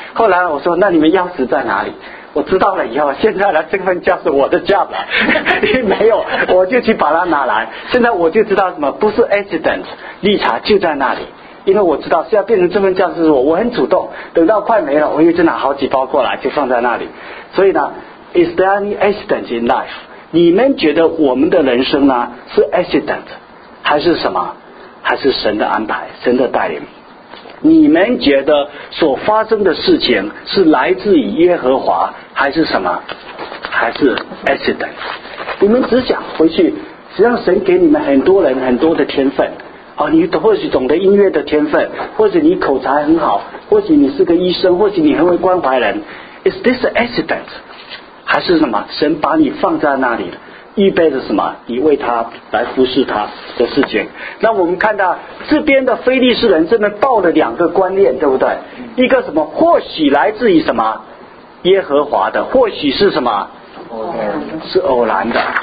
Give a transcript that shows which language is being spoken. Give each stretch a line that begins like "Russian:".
Chinese: 后来我说那你们钥匙在哪里？我知道了以后，现在呢这份job是我的job了，没有我就去把它拿来。现在我就知道什么不是 accident， 绿茶就在那里，因为我知道现在变成这份job是我很主动，等到快没了我又就拿好几包过来就放在那里。所以呢
English: is there any accident in life？
Chinese: 你们觉得我们的人生呢是 accident 还是什么？还是神的安排，神的带领？你们觉得所发生的事情是来自于耶和华还是什么？还是 accident？ 你们只想回去，实际上神给你们很多人很多的天分、啊、你或许懂得音乐的天分，或者你口才很好，或许你是个医生，或许你很会关怀人。
English: Is this an accident
Chinese: 还是什么？神把你放在那里了，预备着什么你为他来服侍他的事情。那我们看到这边的非利士人这边抱了两个观念，对不对？一个什么或许来自于什么耶和华的，或许是什么是偶然的。